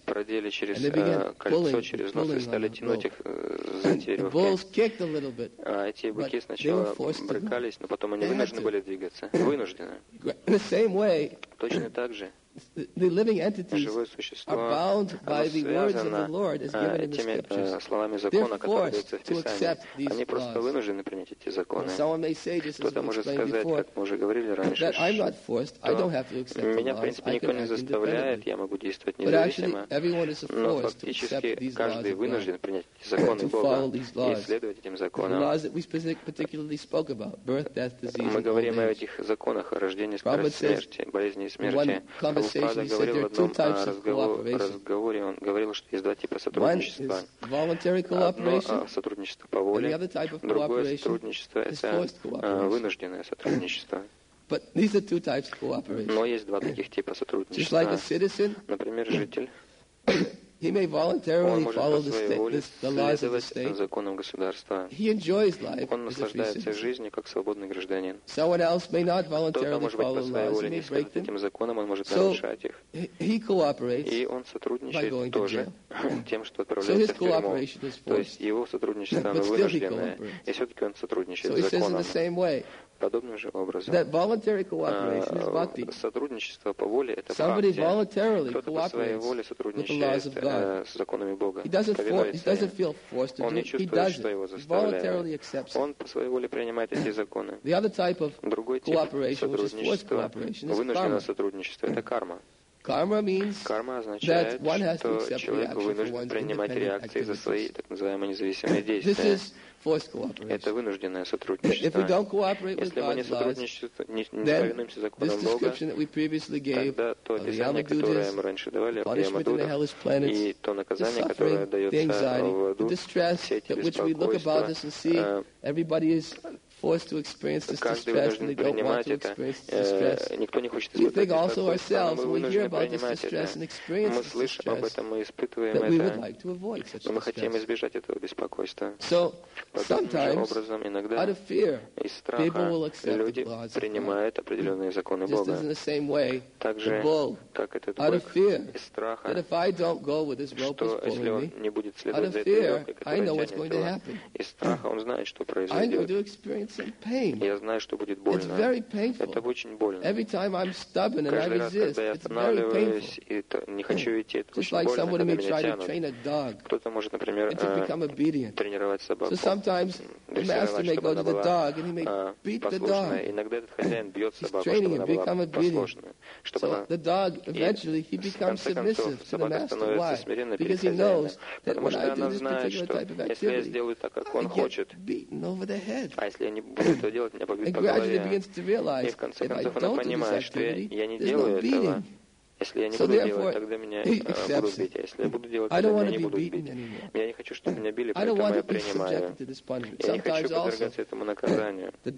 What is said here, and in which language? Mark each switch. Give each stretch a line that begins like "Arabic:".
Russian: продели через кольцо, через нос, и стали тянуть их за эти веревки.
English: The bulls kicked a little bit,
Russian: эти быки сначала брыкались, но потом они вынуждены были двигаться. Вынуждены.
English: In the same way,
Russian: точно так же,
English: the living entities are bound by the words of the Lord as given in the scriptures. They're forced to accept these laws. And someone may say, just as we explained before, that I'm not forced, I don't have to accept the laws, I can act independently. But actually, everyone is forced to accept these laws of God and to follow these laws. The laws that we particularly spoke about, birth, death, disease, and old age. Prabhupada says, one comes
Russian: Прабхупада говорил в одном разговоре, он говорил, что есть два типа сотрудничества. Одно сотрудничество по воле, другое сотрудничество – это вынужденное сотрудничество.
English: But these are two types of cooperation.
Russian: Но есть два таких типа сотрудничества.
English: Just like a citizen,
Russian: например, житель.
English: He may voluntarily follow the state, the laws of the state.
Russian: Законам государства.
English: He enjoys life.
Russian: Он наслаждается жизнью как свободный гражданин.
English: Someone else may not voluntarily follow the laws.
Russian: Кто-то, может быть, по своей воле не следует этим законам, он может нарушать их.
English: So he cooperates.
Russian: И он сотрудничает тоже тем, что отправляется в тюрьму. То есть его сотрудничество вынужденное. И все-таки он сотрудничает с законом.
English: So he says in the same way.
Russian: Подобным же образом.
English: That voluntary cooperation is bhakti.
Russian: Сотрудничество по воле – это
English: Somebody
Russian: бхакти.
English: Voluntarily
Russian: Кто-то по своей воле сотрудничает
English: with the laws of God.
Russian: С законами Бога.
English: He doesn't feel forced to
Russian: Он не чувствует, что его заставляют. Он по своей воле принимает эти законы.
English: The other type of
Russian: Другой тип
English: cooperation,
Russian: сотрудничества,
English: which is forced cooperation, is
Russian: вынужденное
English: karma.
Russian: Сотрудничество – это карма.
English: Karma means
Russian: карма означает, что человек вынужден принимать реакции за свои так называемые независимые действия. Это вынужденное сотрудничество. Если мы не повинуемся законам Бога, тогда то описание, которое мы раньше давали о Ямадутах, и то наказание, которое дается в аду, все эти беспокойства,
English: forced to experience this distress, and they don't want to experience this distress. We think also ourselves, when we hear about this distress and experience this distress, that we would like to avoid such distress. So, sometimes, out of fear, people will accept the laws of God. Just as in the same way, the bull, out of fear, that if I don't go with this rope is pulling me, out of fear, I know what's going to happen. I know to experience
Russian: Я знаю, что будет больно. Это очень больно.
English: Every time I'm stubborn and I resist,
Russian: Каждый раз, когда я останавливаюсь и не хочу идти, это
English: Just
Russian: очень
English: like
Russian: больно, когда меня тянут. Кто-то может, например, тренировать собаку.
English: So sometimes the master may go to the dog and he may beat the dog.
Russian: Иногда этот хозяин бьет собаку, чтобы она была послушной.
English: So the dog eventually he becomes submissive to the master. Why? Because he knows that when I do this particular type of activity, I get beaten over the head.
Russian: Я не буду этого делать, меня побьют по голове. И в конце концов она понимает, что я не делаю этого. Если я не буду делать, тогда меня будут бить. А если я буду делать, тогда меня не будут бить. Я не хочу, чтобы меня били, поэтому я принимаю. Я не хочу подвергаться этому наказанию.